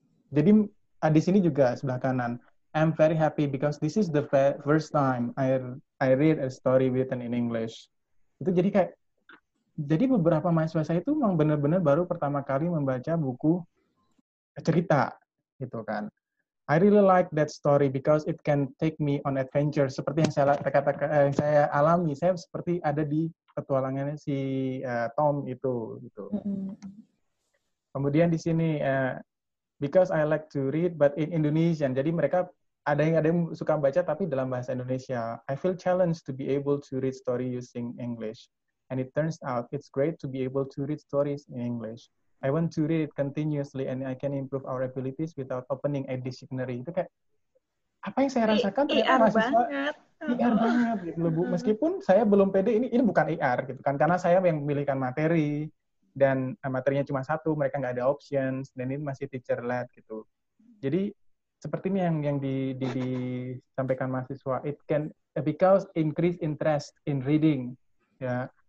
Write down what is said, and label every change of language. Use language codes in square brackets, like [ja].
[id] Jadi di sini juga sebelah kanan, [en] I'm very happy because this is the first time I read a story written in English. [id] Itu jadi kayak, jadi beberapa mahasiswa saya itu memang benar-benar baru pertama kali membaca buku cerita gitu kan. [en] I really like that story because it can take me on adventure. [id] Seperti yang saya alami, saya seperti ada di petualangannya si Tom itu. Gitu. Kemudian di sini, [en] because I like to read, but in Indonesian. [id] Jadi mereka ada yang suka baca tapi dalam bahasa Indonesia. [en] I feel challenged to be able to read story using English. And it turns out it's great to be able to read stories in English. I want to read it continuously and I can improve our abilities without opening a dictionary. [id] Itu kayak, apa yang saya rasakan ternyata mahasiswa IR banget gitu loh, Bu. Meskipun saya belum pede, ini bukan IR gitu kan, karena saya yang memilihkan materi dan materinya cuma satu, mereka nggak ada options dan ini masih [en] teacher led [id] gitu. Jadi seperti ini yang disampaikan mahasiswa, [en] it can because increase interest in reading ya.